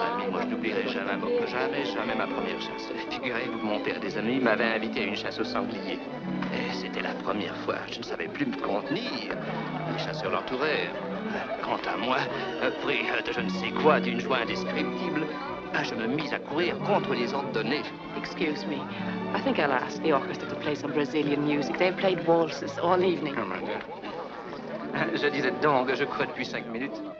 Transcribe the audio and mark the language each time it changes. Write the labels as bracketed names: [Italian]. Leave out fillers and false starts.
[French] Moi, je n'oublierai jamais, jamais, jamais ma première chasse. Figurez-vous que mon père et des amis m'avaient invité à une chasse au sanglier. Et c'était la première fois. Je ne savais plus me contenir. Les chasseurs l'entouraient. Quant à moi, pris de je ne sais quoi, d'une joie indescriptible, je me mis à courir contre les ordonnées. [English] Excuse me. I think I'll ask the orchestra to play some Brazilian music. They've played waltzes all evening. [French] Oh, mon Dieu. Je disais donc, je crois depuis cinq minutes.